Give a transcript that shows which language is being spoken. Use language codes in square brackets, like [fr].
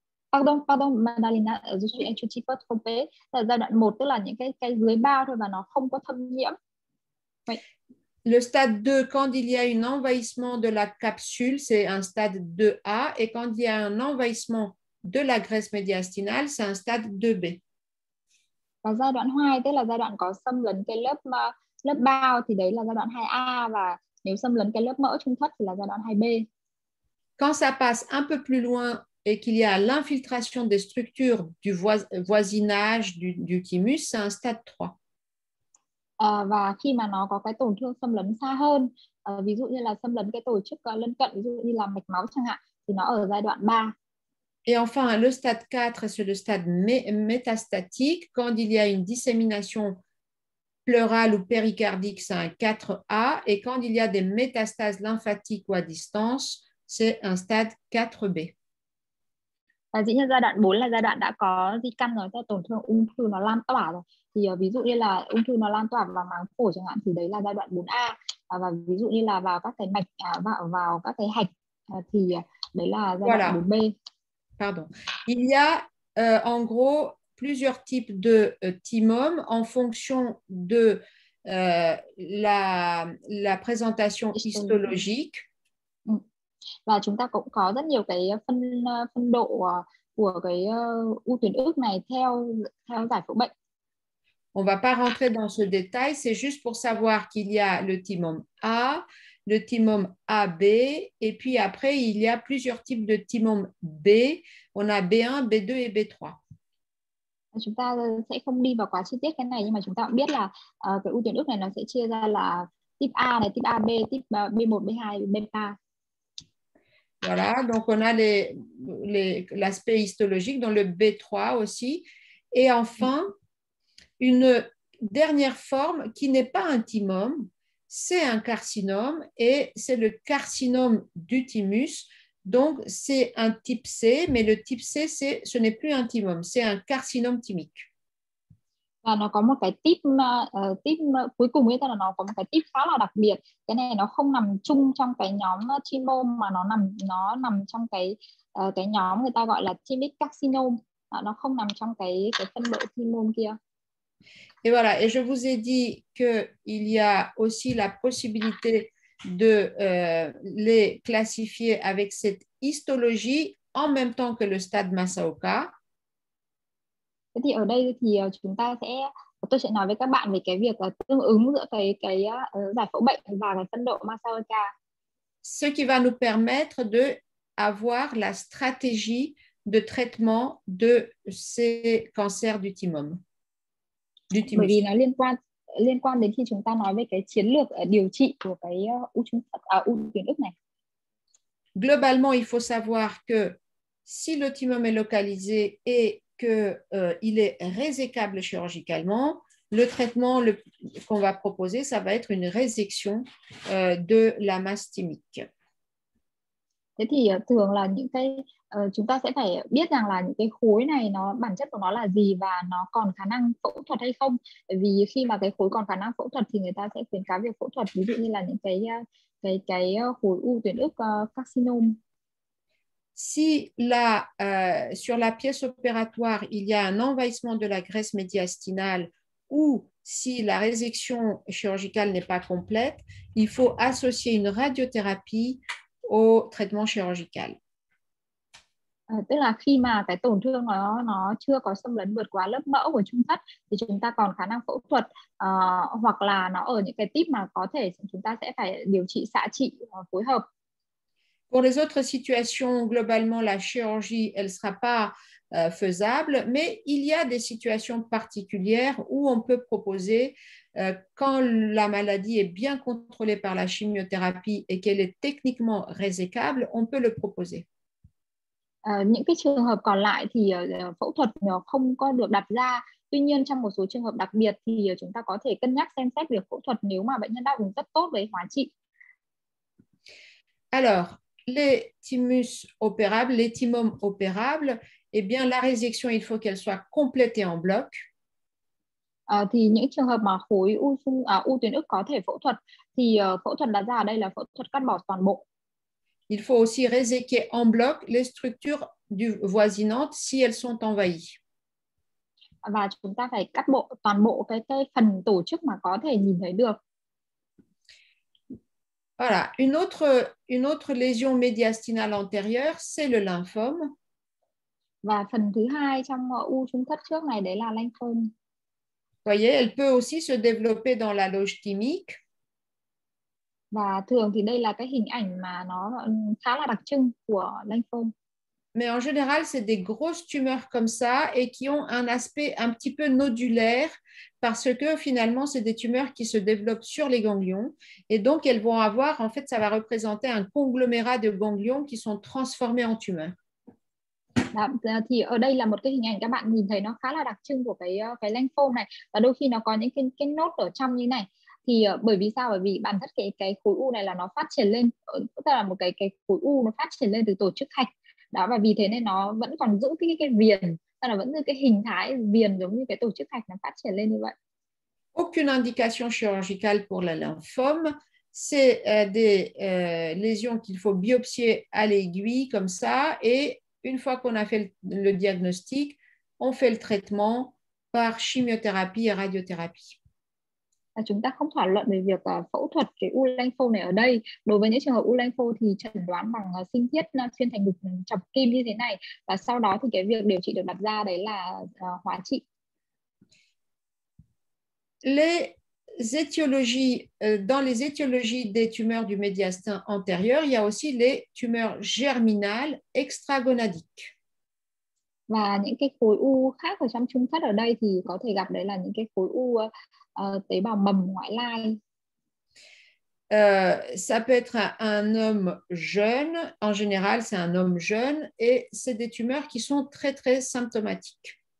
[fr] Pardon, Madalina, je suis un petit peu trompée. [vi] La giai đoạn 1, tức là những cái dưới bao thôi và nó không có thâm nhiễm. [fr] Le stade 2, quand il y a un envahissement de la capsule, c'est un stade 2A. Et quand il y a un envahissement de la graisse médiastinale, c'est un stade 2B. [vi] Và giai đoạn 2, tức là giai đoạn có xâm lấn cái lớp bao, thì đấy là giai đoạn 2A. Và nếu xâm lấn cái lớp mỡ trung thất thì là giai đoạn 2B. [fr] Quand ça passe un peu plus loin et qu'il y a l'infiltration des structures du voisinage du thymus, c'est un stade 3. [vi] Và khi mà nó có cái tổn thương xâm lấn xa hơn, ví dụ như là xâm lấn cái tổ chức lân cận, ví dụ như là mạch máu chẳng hạn, thì nó ở giai đoạn 3. [fr] Et enfin, le stade 4, c'est le stade métastatique. Quand il y a une dissémination pleural ou péricardique, c'est un 4A. Et quand il y a des métastases lymphatiques ou à distance, c'est un stade 4B. [vi] Và dĩ nhiên giai đoạn 4 là giai đoạn đã có di căn rồi, tức là tổn thương ung thư nó lan tỏa rồi. Thì ví dụ như là ung thư nó lan tỏa vào màng phổi chẳng hạn, thì đấy là giai đoạn 4A. Và ví dụ như là vào các cái mạch, vào các cái hạch, thì đấy là giai đoạn 4B. [fr] Pardon. Il y a, en gros... plusieurs types de timum en fonction de la présentation histologique. [vi] Và chúng ta cũng có rất nhiều cái phân độ của cái u tuyến ức này theo giải phẫu bệnh. [fr] On va pas rentrer dans ce détail, c'est juste pour savoir qu'il y a le timum A, le timum AB, et puis après il y a plusieurs types de timum B. On a B1, B2 et B3. [vi] Chúng ta sẽ không đi vào quá chi tiết cái này, nhưng mà chúng ta cũng biết là cái u tuyến ức này nó sẽ chia ra là type A này, type AB, type B1, B2, B3. [fr] Voilà, donc on a l'aspect histologique dans le B3 aussi. Et enfin, une dernière forme qui n'est pas un timum, c'est un carcinome et c'est le carcinome du thymus. Donc, c'est un type C, mais le type C, ce n'est plus un thymome, c'est un carcinome thymique. [vi] Và nó có một cái type cuối cùng, nghĩa là nó có một cái type khá là đặc biệt. Cái này nó không nằm chung trong cái nhóm thymome, mà nó nằm trong cái nhóm người ta gọi là thymic carcinome. Nó không nằm trong cái phân độ thymome kia. [fr] Et voilà, et je vous ai dit qu'il y a aussi la possibilité de les classifier avec cette histologie en même temps que le stade Masaoka. [vi] Thế thì ở đây thì chúng ta sẽ tôi sẽ nói với các bạn về cái việc là tương ứng giữa cái giải phẫu bệnh và cái phân độ Masaoka. [fr] Ce qui va nous permettre de avoir la stratégie de traitement de ces cancers du thymus. [vi] Bởi vì nó liên quan đến khi chúng ta nói về cái chiến lược điều trị của cái u trung thận u tuyến ức này. [fr] Globalement, il faut savoir que si le thymus est localisé et qu'il est résécable chirurgicalement, le traitement qu'on va proposer, ça va être une résection de la masse thymique. [vi] Thế thì thường là những cái chúng ta sẽ phải biết rằng là những cái khối này nó bản chất của nó là gì và nó còn khả năng phẫu thuật hay không. Vì khi mà cái khối còn khả năng phẫu thuật thì người ta sẽ khuyến cáo việc phẫu thuật, ví dụ như là những cái khối u tuyến ức carcinome. [fr] Si là, sur la pièce opératoire, il y a un envahissement de la graisse médiastinale ou si la résection chirurgicale n'est pas complète, il faut associer une radiothérapie au traitement chirurgical. [vi] Tức là khi mà cái tổn thương nó chưa có xâm lấn vượt quá lớp mỡ của trung thất thì chúng ta còn khả năng phẫu thuật hoặc là nó ở những cái típ mà có thể chúng ta sẽ phải điều trị xạ trị phối hợp. [fr] Pour les autres situations, globalement, la chirurgie, elle ne sera pas faisable, mais il y a des situations particulières où on peut proposer, quand la maladie est bien contrôlée par la chimiothérapie et qu'elle est techniquement résécable, on peut le proposer. [vi] Những cái trường hợp còn lại thì phẫu thuật nó không có được đặt ra. Tuy nhiên, trong một số trường hợp đặc biệt thì chúng ta có thể cân nhắc xem xét việc phẫu thuật nếu mà bệnh nhân đáp ứng rất tốt với hóa trị. [fr] Alors, les thymus opérables, les thymomes opérables, eh bien, la résection, il faut qu'elle soit complétée en bloc. [vi] Thì những trường hợp mà khối u tuyến ức có thể phẫu thuật, thì phẫu thuật đặt ra ở đây là phẫu thuật cắt bỏ toàn bộ. [fr] Il faut aussi réséquer en bloc les structures du voisinante si elles sont envahies. [vi] Và chúng ta phải cắt bộ toàn bộ cái phần tổ chức mà có thể nhìn thấy được. [fr] Voilà, une autre lésion médiastinale antérieure, c'est le lymphome. [vi] Và phần thứ hai trong u trung thất trước này đấy là lymphome. [fr] Voyez, elle peut aussi se développer dans la loge thymique. [vi] Và thường thì đây là cái hình ảnh mà nó khá là đặc trưng của lymphome. [fr] Mais en général, c'est des grosses tumeurs comme ça et qui ont un aspect un petit peu nodulaire parce que finalement, c'est des tumeurs qui se développent sur les ganglions et donc elles vont avoir, en fait, ça va représenter un conglomérat de ganglions qui sont transformés en tumeurs. [vi] Thì ở đây là một cái hình ảnh các bạn nhìn thấy nó khá là đặc trưng của cái lymphome này và đôi khi nó có những cái nốt ở trong như này. Thì bởi vì sao? Bởi vì bản thân cái khối u này là nó phát triển lên, tức là một cái khối u nó phát triển lên từ tổ chức hạch. Đó, và vì thế nên nó vẫn còn giữ cái viền, tức là vẫn giữ cái hình thái viền giống như cái tổ chức hạch nó phát triển lên như vậy. [fr] Aucune indication chirurgicale pour la lymphome, c'est des lésions qu'il faut biopsier à l'aiguille comme ça, et une fois qu'on a fait le diagnostic, on fait le traitement par chimiothérapie et radiothérapie. [vi] Chúng ta không thảo luận về việc phẫu thuật cái u lymphome này ở đây. Đối với những trường hợp u lymphome thì chẩn đoán bằng sinh thiết xuyên thành ngực chọc kim như thế này và sau đó thì cái việc điều trị được đặt ra đấy là hóa trị. [fr] Les étiologies dans les étiologies des tumeurs du médiastin antérieur, il y a aussi les tumeurs germinales extragonadiques. [vi] Và những cái khối u khác ở trong trung thất ở đây thì có thể gặp đấy là những cái khối u tế bào mầm ngoại lai. [fr] Ça peut être un homme jeune, en général c'est un homme jeune et c'est des tumeurs qui sont très très symptomatiques.